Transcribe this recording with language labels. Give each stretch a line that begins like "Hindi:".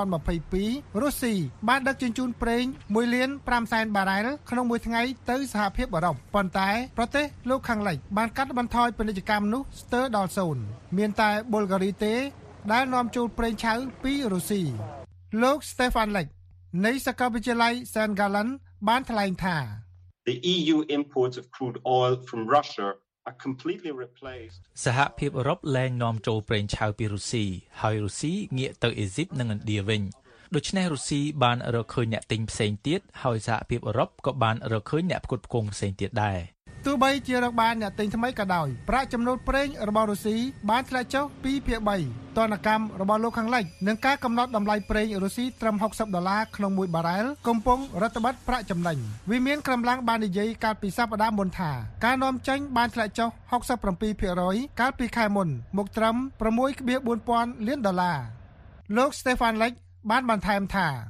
Khmer: 2022រុស្ស៊ីបានដឹកជញ្ជូនប្រេង1,500,000បារ៉ែលក្នុងមួយថ្ងៃទៅសហភាពអឺរ៉ុបប៉ុន្តែប្រទេសលោកខាងលិចបានកាត់បន្ថយពាណិជ្ជកម្មនោះស្ទើរដល់សូន្យមានតែប៊ុលហ្គារីទេដែលនាំចូលប្រេងឆៅពីរុស្ស៊ីលោកស្តេហ្វានលិចនៃសាកលវិទ្យាល័យ Saint Gallen បានថ្លែងថា
English: The EU imports of crude oil from Russia are completely replaced
Khmer: សហភាពអឺរ៉ុបលែងនាំចូលប្រេងឆៅពីរុស្ស៊ីហើយរុស្ស៊ីងាកទៅអេស៊ីបនិងឥណ្ឌាវិញដូច្នេះរុស្ស៊ីបានរកឃើញអ្នកទិញផ្សេងទៀតហើយសហភាពអឺរ៉ុបក៏បានរកឃើញអ្នកផ្គត់ផ្គង់ផ្សេងទៀតដែរ ទោះបីជារកបានអ្នកទិញថ្មីក៏ដោយប្រាក់ចំណូលប្រេងរបស់រុស្ស៊ីបានធ្លាក់ចុះ2/3តនកម្មរបស់លោកខាងលិចនឹងការកំណត់តម្លៃប្រេងរុស្ស៊ីត្រឹម60ដុល្លារក្នុងមួយបារ៉ែលកំពុងរឹតបន្តឹងប្រាក់ចំណេញវាមានក្រុមឡាងបាននិយាយកាលពីសប្តាហ៍មុនថាការនាំចេញបានធ្លាក់ចុះ 67% កាលពីខែមុនមកត្រឹម 6,400,000 ដុល្លារលោក Stefan Lech បានបន្ថែមថា